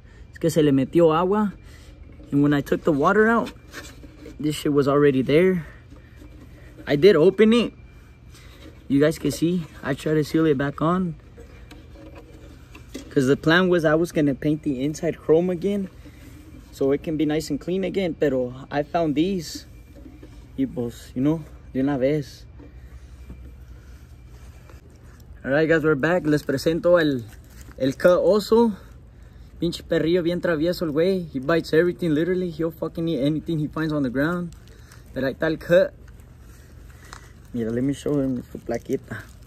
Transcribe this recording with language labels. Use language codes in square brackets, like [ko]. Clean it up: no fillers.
[es] Es que se le metió agua. [en] And when I took the water out, this shit was already there. I did open it. You guys can see, I tried to seal it back on. Because the plan was I was going to paint the inside chrome again so it can be nice and clean again. [es] Pero [en] I found these. [es] Y pues, [en] you know, [es] de una vez. [en] All right, guys, we're back. [es] Les presento el cut oso. Pinche perrillo bien travieso el güey. [en] He bites everything, literally. He'll fucking eat anything he finds on the ground. [es] Pero ahí está el cut. Mira, [en] let me show him [es] su plaquita.